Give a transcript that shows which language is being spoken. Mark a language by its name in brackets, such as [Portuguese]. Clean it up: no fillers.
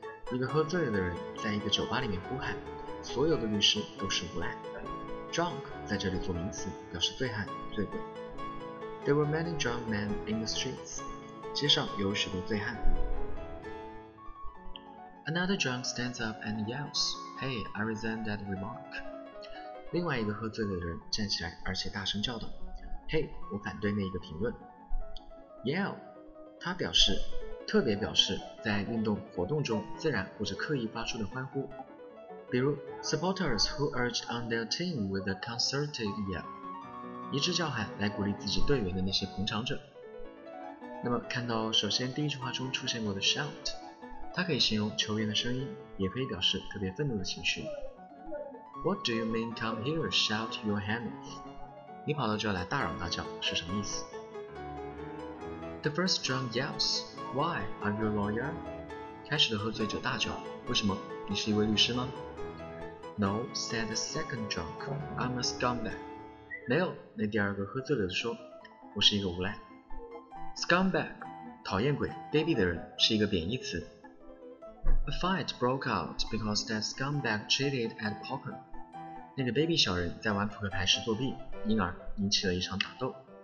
[Chinese] 一个喝醉的人在一个酒吧里面呼喊，所有的律师都是无赖。 Drunk 在这里做名词，表示醉汉、醉鬼。 [English] There were many drunk men in the streets. [Chinese] 街上有许多醉汉。 [English] Another drunk stands up and yells, Hey, I resent that remark. [Chinese] 另外一个喝醉的人站起来，而且大声叫道，Hey, 我反对那一个评论。 Yell, 他表示，特别表示在运动活动中自然或者刻意发出的欢呼。比如 , [English] supporters who urged on their team with a concerted yell, [Chinese] 一致叫喊来鼓励自己队员的那些捧场者。那么看到首先第一句话中出现过的 shout, 它可以形容球员的声音，也可以表示特别愤怒的情绪。 [English] What do you mean come here, shout your hand off? [Chinese] 你跑到这来大嚷大叫是什么意思？ [English] The first drunk yells, Why, are you a lawyer? [Chinese] 开始的喝醉者大叫，为什么？你是一位律师吗？ [English] No, said the second drunk, I'm a scumbag. [Chinese] 没有，那第二个喝醉了的说，我是一个无赖。 Scumbag, 讨厌鬼，卑鄙的人，是一个贬义词。 [English] A fight broke out because that scumbag cheated at poker. [Chinese] 那个卑鄙小人在玩扑克牌时作弊，因而引起了一场打斗。